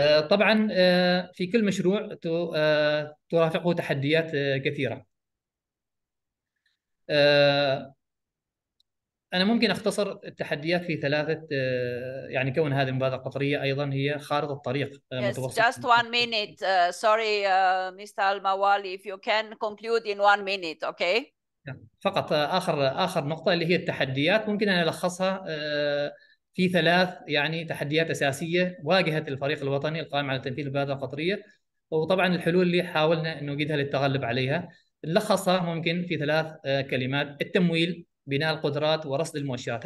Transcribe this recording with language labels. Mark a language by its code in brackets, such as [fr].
[ar] طبعا في كل مشروع ترافقه تحديات كثيرة. أنا ممكن أختصر التحديات في 3، يعني كون هذه المبادرة القطرية أيضا هي خارطة الطريق [en] Yes, [ar] متوسط. [en] just 1 minute. Sorry, Mr. Al-Mawali, if you can conclude in 1 minute, okay? [ar] فقط آخر نقطة اللي هي التحديات، ممكن أن ألخصها في 3 يعني تحديات أساسية واجهت الفريق الوطني القائم على تنفيذ المبادرة القطرية، وطبعا الحلول اللي حاولنا أن نوجدها للتغلب عليها. نلخصها ممكن في 3 كلمات: التمويل، بناء القدرات، ورصد المؤشرات.